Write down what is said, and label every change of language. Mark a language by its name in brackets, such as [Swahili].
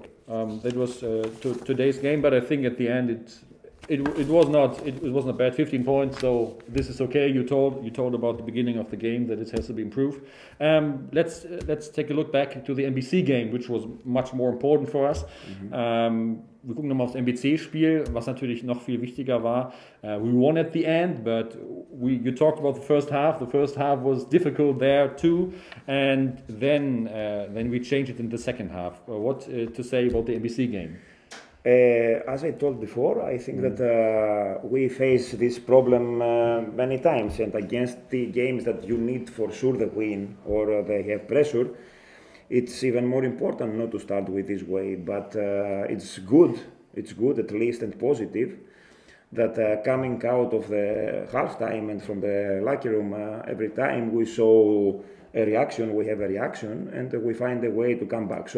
[English] That was today's game, but I think at the end it was not bad. 15 points, so this is okay. You told about the beginning of the game that it has to be improved. Let's take a look back to the NBC game, which was much more important for us. Mm-hmm. [German] Wir gucken nochmal aufs NBC-Spiel, was natürlich noch viel wichtiger war. [English] We won at the end, but you talked about the first half. The first half was difficult there too, and then we changed it in the second half. What to say about the NBC game? As I told before, I think mm-hmm. that we face this problem many times, and against the games that you need for sure the win or they have pressure, it's even more important not to start with this way, but it's good at least, and positive that coming out of the halftime and from the locker room, every time we saw a reaction, we have a reaction, and we find a way to come back.